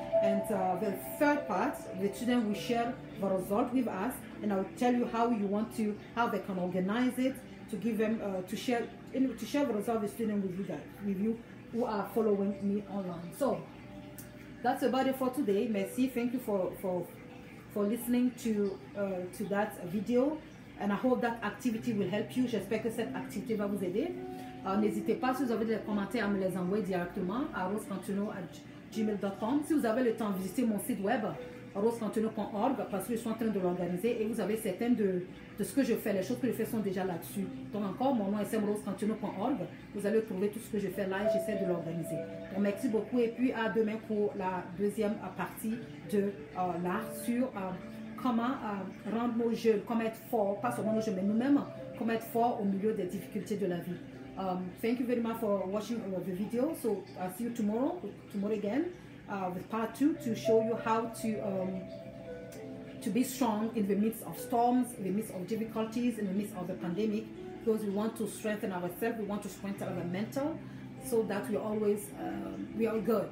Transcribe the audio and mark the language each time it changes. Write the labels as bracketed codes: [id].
[en] And the third part, the student will share the result with us, and I'll tell you how they can organize it to give them to share the result of the student with you who are following me online. So that's about it for today. Merci, thank you for listening to that video, and I hope that activity will help you. [fr] J'espère que cette activité va vous aider. N'hésitez pas, si vous avez des commentaires, à me les envoyer directement à rosecantino@gmail.com. Si vous avez le temps, visitez mon site web rosecantino.org, parce que je suis en train de l'organiser, et vous avez certaines de ce que je fais. Les choses que je fais sont déjà là-dessus. Donc encore, mon nom est rosecantino.org. Vous allez trouver tout ce que je fais là, et j'essaie de l'organiser. Donc merci beaucoup, et puis à demain pour la deuxième partie de l'art sur comment rendre nos jeunes, comment être fort, pas seulement nos jeunes, mais nous-mêmes, comment être fort au milieu des difficultés de la vie. [en] Thank you very much for watching the video. So I'll see you tomorrow again, with part two, to show you how to be strong in the midst of storms, in the midst of difficulties, in the midst of the pandemic, because we want to strengthen ourselves, we want to strengthen our mental, so that we always, we are good.